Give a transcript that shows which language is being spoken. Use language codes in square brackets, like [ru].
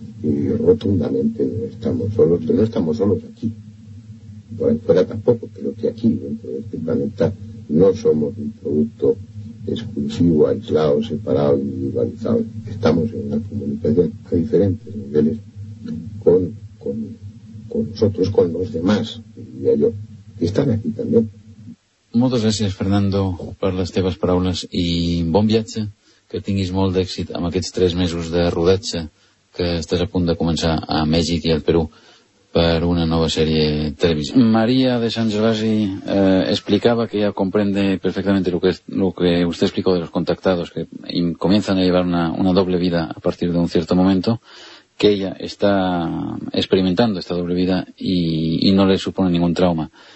[es] Y rotundamente no estamos solos, pero no estamos solos aquí, por ahí fuera tampoco, pero que aquí dentro de este planeta no somos un producto exclusivo, aislado, separado, individualizado. Estamos en una comunicación a diferentes niveles con nosotros, con los demás, diría yo, que están aquí también. [ca] Moltes gràcies, Fernando, per les teves paraules i bon viatge, que tinguis molt d'èxit amb aquests 3 mesos de rodatge que estàs a punt de començar a Mèxic i al Perú per una nova sèrie televisiva. [es] Maria de Sant Gervasi [ca] explicava que [es] ella comprende perfectamente lo que usted explicó de los contactados, que comienzan a llevar una doble vida a partir de un cierto momento, que ella está experimentando esta doble vida y no le supone ningún trauma.